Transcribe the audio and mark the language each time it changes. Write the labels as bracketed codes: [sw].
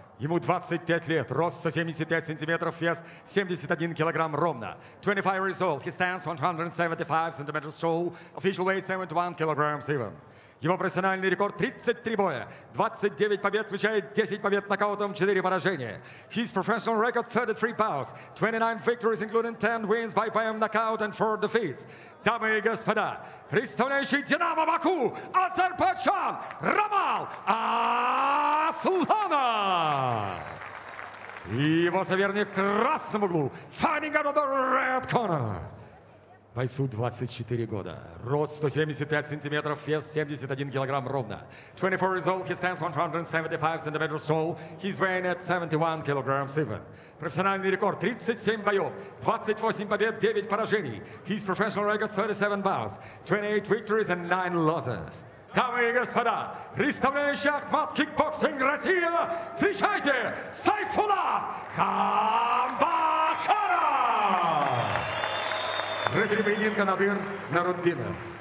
[ru] Ему 25 лет, рост 175 сантиметров, вес 71 килограмм ровно. [en] 25 years old, he stands 175 centimeters tall, official weight 71 kilograms even. [ru] Его профессиональный рекорд 33 боя, 29 побед, включая 10 побед нокаутом, 4 поражения. [en] His professional record 33 bouts, 29 victories, including 10 wins by PM knockout and 4 defeats. [ru] Дамы и господа, представляющий Динамо Баку, Азербайджан, Рамал Асланов! И его соперник в красном углу, [en] fighting out of the red corner. [ru] Бойцу 24 года. Рост 175 сантиметров, вес 71 килограмм ровно. [en] 24 years old, he stands 175 centimeters tall. He's weighing at 71 kilograms even. [ru] Профессиональный рекорд 37 боев, 28 побед, 9 поражений. [en] His professional record 37 bouts, 28 victories and 9 losses. [ru] Дамы и господа, представляющий Ахмад кикбоксинг Россия, встречайте Сайфуллах Хамбахадов! рефери поединка Надыр Нуруддинов.